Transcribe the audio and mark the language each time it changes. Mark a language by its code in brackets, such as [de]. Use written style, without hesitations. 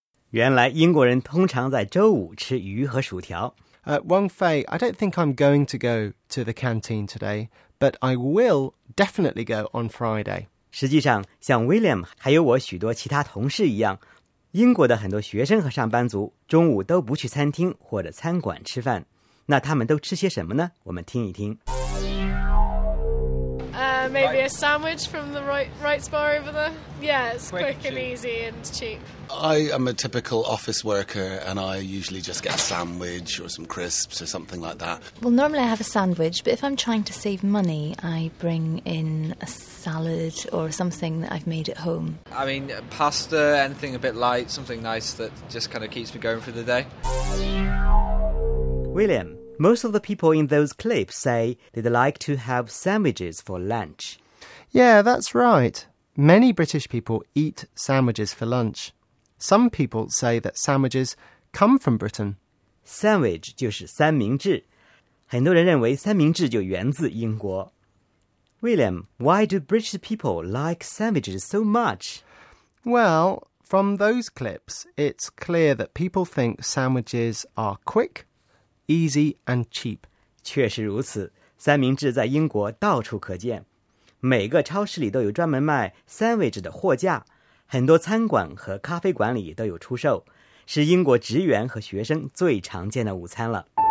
[zh] 原来英国人通常在周五吃鱼和薯条。 [en] Wang Fei, I don't think I'm going to go to the canteen today. But I will definitely go on Friday. [zh] 实际上，像 William 还有我许多其他同事一样，英国的很多学生和上班族中午都不去餐厅或者餐馆吃饭。那他们都吃些什么呢？我们听一听。 [en] Maybe a sandwich from the Wright's bar over there. Yeah, it's quick and easy and cheap. I am a typical office worker and I usually just get a sandwich or some crisps or something like that. Well, normally I have a sandwich, but if I'm trying to save money, I bring in a salad or something that I've made at home. I mean, pasta, anything a bit light, something nice that just kind of keeps me going for the day. William. Most of the people in those clips say they'd like to have sandwiches for lunch. Yeah, that's right. Many British people eat sandwiches for lunch. Some people say that sandwiches come from Britain. [zh] Sandwich 就是三明治。很多人认为三明治就源自英国。 [en] William, why do British people like sandwiches so much? Well, from those clips, it's clear that people think sandwiches are quick,Easy and cheap. [zh] 确实如此，三明治在英国到处可见，每个超市里都有专门卖 sandwich 的货架，很多餐馆和咖啡馆里都有出售，是英国职员和学生最常见的午餐了。